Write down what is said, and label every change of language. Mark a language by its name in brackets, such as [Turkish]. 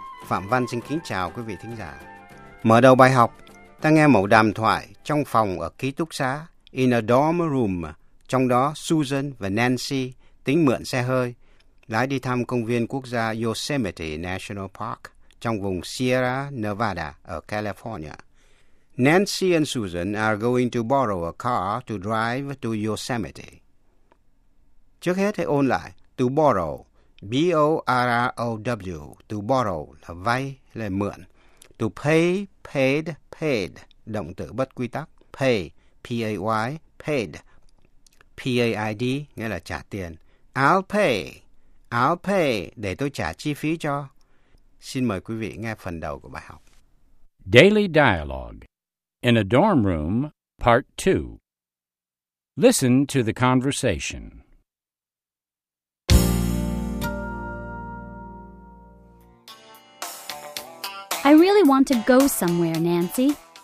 [Vietnamese] Phạm Văn xin kính chào quý vị thính giả. Mở đầu bài học, ta nghe mẫu đàm thoại trong phòng ở ký túc xá, [English] in a dorm room, [Vietnamese] trong đó Susan và Nancy tính mượn xe hơi lái đi thăm công viên quốc gia Yosemite National Park trong vùng Sierra Nevada ở California. [English] Nancy and Susan are going to borrow a car to drive to Yosemite. [Vietnamese] Trước hết hãy ôn lại, to borrow, B-O-R-R-O-W, to borrow là vay, là mượn. To pay, paid, paid, động từ bất quy tắc, pay, P-A-Y, paid, P-A-I-D, nghĩa là trả tiền. [English] I'll pay, [Vietnamese] để tôi trả chi phí cho. Xin mời quý vị nghe phần đầu của bài học. [English] Daily Dialogue, in a dorm room, part 2. Listen to the conversation. I really want to go somewhere, Nancy.